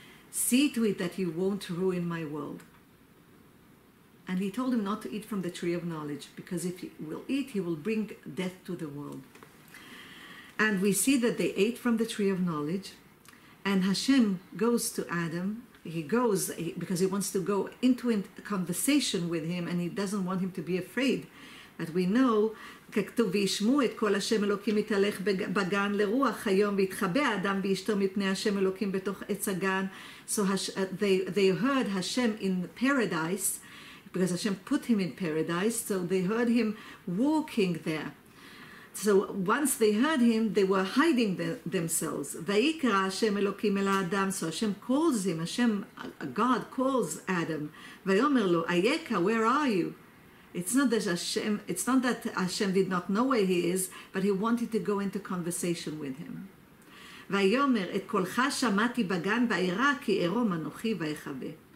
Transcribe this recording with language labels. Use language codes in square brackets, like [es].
[en] See to it that you won't ruin my world. And he told him not to eat from the tree of knowledge, because if he will eat, he will bring death to the world. And we see that they ate from the tree of knowledge, and Hashem goes to Adam. He goes because he wants to go into a conversation with him, and he doesn't want him to be afraid. But we know, [he] ככתוב, וישמעו את כל השם אלוקים מתהלך בגן לרוח היום, והתחבא האדם ואשתו מפני השם אלוקים בתוך עץ הגן. [en] So they heard Hashem in paradise, because Hashem put him in paradise, so they heard him walking there. So once they heard him, they were hiding themselves. [he] ויקרא השם אלוקים אל האדם, [en] so Hashem calls him, Hashem, God calls Adam. [he] ויאמר לו, אייכה, [en] where are you? It's not that Hashem did not know where he is, but he wanted to go into conversation with him. [he] ויאמר, את קולך שמעתי בגן ואירא כי ערום אנוכי ואכבה.